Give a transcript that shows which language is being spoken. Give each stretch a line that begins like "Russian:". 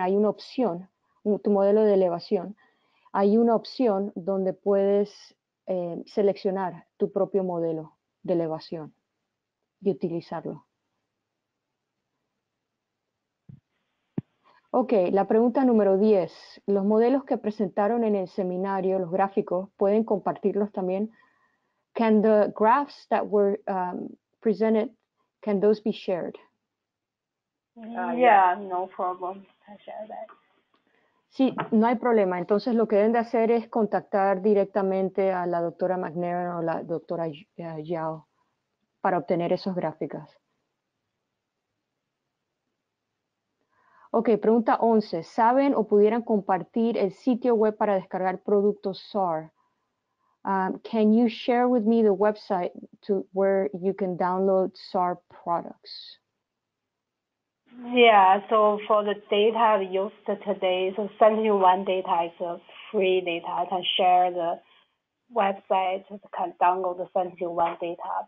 Spanish: Hay una opción, tu modelo de elevación. Hay una opción donde puedes seleccionar tu propio modelo de elevación y utilizarlo. Ok, la pregunta número 10. Los modelos que presentaron en el seminario, los gráficos, ¿pueden compartirlos también?
English: Can the graphs that were presented, can those be shared? Yeah, no problem. I'll share that.
Spanish: Sí, no hay problema. Entonces, lo que deben de hacer es contactar directamente a la doctora McNair o la doctora Yao para obtener esos gráficos. Ok, pregunta 11. ¿Saben o pudieran compartir el sitio web para descargar productos SAR?
English: Can you share with me the website to where you can download SAR products? Yeah, so for the data used today, so 71 data is a free data. I can share the website, just can download the 71 data.